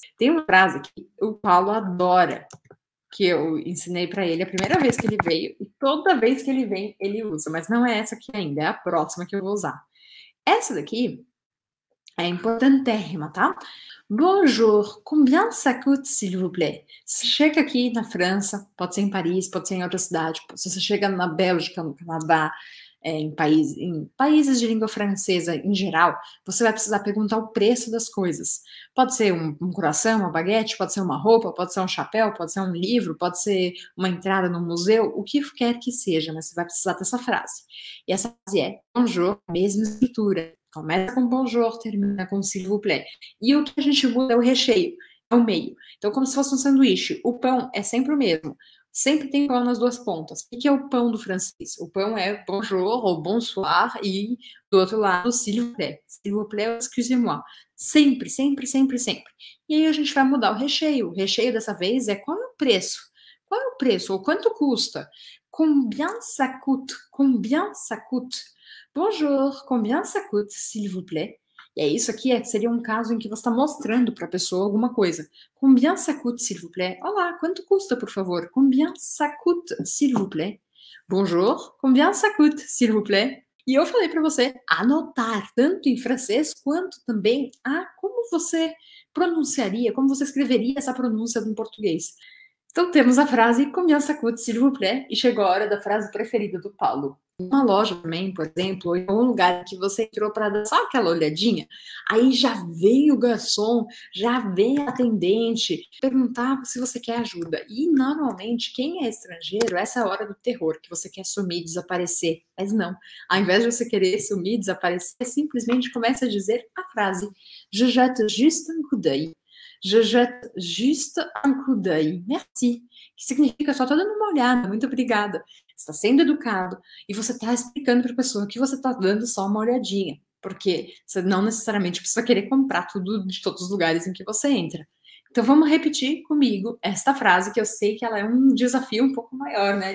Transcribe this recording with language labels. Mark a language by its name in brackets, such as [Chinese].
[Portuguese] Tem uma frase que o Paulo adora, que eu ensinei para ele a primeira vez que ele veio, e toda vez que ele vem, ele usa, mas não é essa aqui ainda, é a próxima que eu vou usar. Essa daqui é importantérrima, tá? [French] Bonjour, combien ça coûte, s'il vous plaît? [Portuguese] Se chega aqui na França, pode ser em Paris, pode ser em outra cidade, se você chega na Bélgica, no Canadá, em países de língua francesa em geral, você vai precisar perguntar o preço das coisas. Pode ser um croissant, uma baguete, pode ser uma roupa, pode ser um chapéu, pode ser um livro, pode ser uma entrada no museu, o que quer que seja, mas você vai precisar dessa frase. E essa frase é bonjour, mesma estrutura. Começa com bonjour, termina com [French] s'il vous plaît. [Portuguese] E o que a gente muda é o recheio, é o meio. Então, como se fosse um sanduíche, o pão é sempre o mesmo. Sempre tem pão nas duas pontas. O que é o pão do francês? O pão é bonjour ou bonsoir e do outro lado, [French] s'il vous plaît. S'il vous plaît, excusez-moi. [Portuguese] Sempre, sempre, sempre, sempre. E aí a gente vai mudar o recheio. O recheio dessa vez é qual é o preço? Qual é o preço? Ou quanto custa? [French] Combien ça coûte? Combien ça coûte? Bonjour, combien ça coûte, s'il vous plaît? [Portuguese] E é isso aqui, seria um caso em que você está mostrando para a pessoa alguma coisa. [French] Combien ça coûte, s'il vous plaît? [Portuguese] Olá, quanto custa, por favor? [French] Combien ça coûte, s'il vous plaît? Bonjour, combien ça coûte, s'il vous plaît? [Portuguese] E eu falei para você anotar, tanto em francês quanto também como você pronunciaria, como você escreveria essa pronúncia em português. Então temos a frase [French] combien ça coûte, s'il vous plaît? [Portuguese] E chegou a hora da frase preferida do Paulo. Uma loja também, por exemplo, ou em algum lugar que você entrou para dar só aquela olhadinha, aí já vem o garçom, já vem a atendente perguntar se você quer ajuda. E normalmente, quem é estrangeiro, essa é a hora do terror, que você quer sumir, desaparecer. Mas não. Ao invés de você querer sumir, desaparecer, simplesmente começa a dizer a frase: [French] Je jette juste un coup d'œil. Je jette juste un coup d'œil. Merci. [Portuguese] Que significa só estou dando uma olhada. Muito obrigada. Está sendo educado e você está explicando para a pessoa que você está dando só uma olhadinha, porque você não necessariamente precisa querer comprar tudo de todos os lugares em que você entra. Então vamos repetir comigo esta frase, que eu sei que ela é um desafio um pouco maior, né?